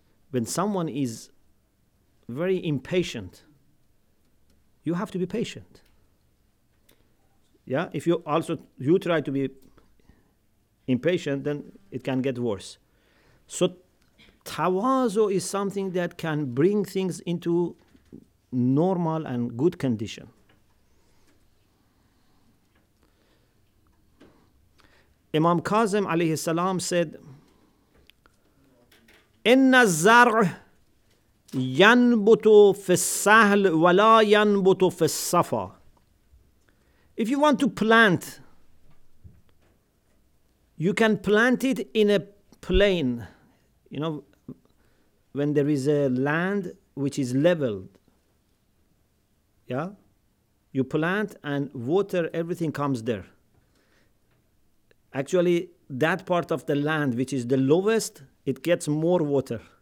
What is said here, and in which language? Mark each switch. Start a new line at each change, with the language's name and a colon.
English: When someone is very impatient, you have to be patient. Yeah? If you also, you try to be impatient, then it can get worse. So tawazu is something that can bring things into normal and good condition. Imam Kazim alayhi salam said,
Arabic: إن الزرع ينبت في السهل ولا ينبت في الصفا.
English: If you want to plant, you can plant it in a plain. You know, when there is a land which is leveled. Yeah? You plant and water, everything comes there. Actually, that part of the land which is the lowest, it gets more water.